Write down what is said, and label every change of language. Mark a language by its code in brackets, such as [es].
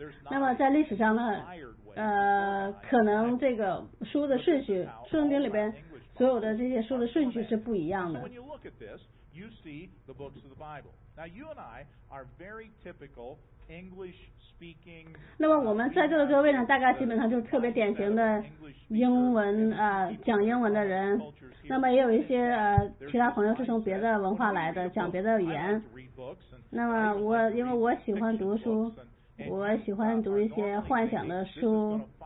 [zh] 那么在历史上呢，可能这个书的顺序，圣经里边所有的这些书的顺序是不一样的。 [en] You see the books of the Bible. Now you and I are very typical English speaking. [zh] 那么我们在座的各位呢，大概基本上就是特别典型的英文啊，讲英文的人。那么也有一些其他朋友是从别的文化来的，讲别的语言。那么我因为我喜欢读书，我喜欢读一些幻想的书。